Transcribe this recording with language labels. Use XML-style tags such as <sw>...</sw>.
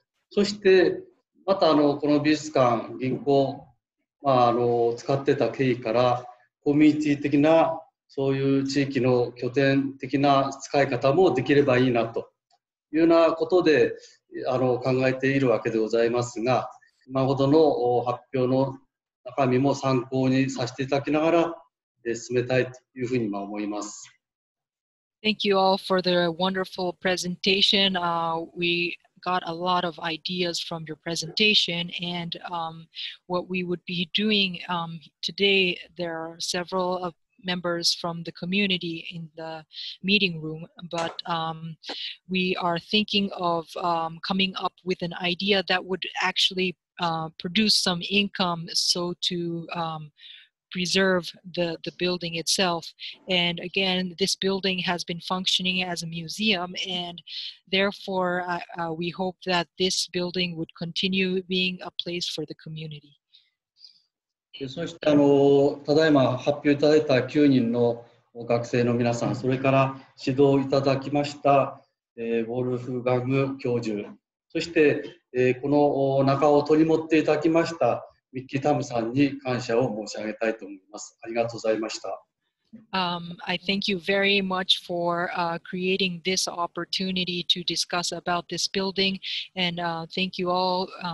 <ja>そしてまたこの美術館、銀行、使ってた経費からコミュニティ的なそういう地域の拠点的な使い方もできればいいなというようなことで考えているわけでございますが、今ほどの発表の中身も参考にさせていただきながら進めたいというふうに思います。</ja> <en>Thank you all for the wonderful presentation. We got a lot of ideas from your presentation, and what we would be doing today, there are several ofmembers from the community in the meeting room, but we are thinking of coming up with an idea that would actually produce some income so to preserve the building itself. And again, this building has been functioning as a museum, and therefore we hope that this building would continue being a place for the community.</en> <ja>そしてただいま発表いただいた9人の学生の皆さん、それから指導いただきました、ウォルフガング教授、そして、この中を取り持っていただきましたミッキー・タムさんに感謝を申し上げたいと思います。ありがとうございました。</ja> <en>I thank you very much for creating this opportunity to discuss about this building, and thank you all.</en>